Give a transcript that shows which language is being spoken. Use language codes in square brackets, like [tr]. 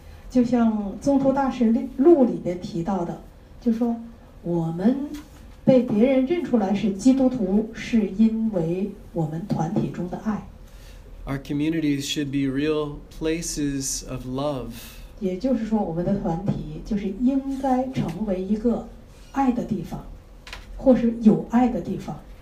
[zh] 就像宗徒大使录里边提到的，就说。我们被别人认出来是基督徒，是因为我们团体中的爱。 [en] Our communities should be real places of love. [zh] 也就是说，我们的团体就是应该成为一个爱的地方，或是有爱的地方。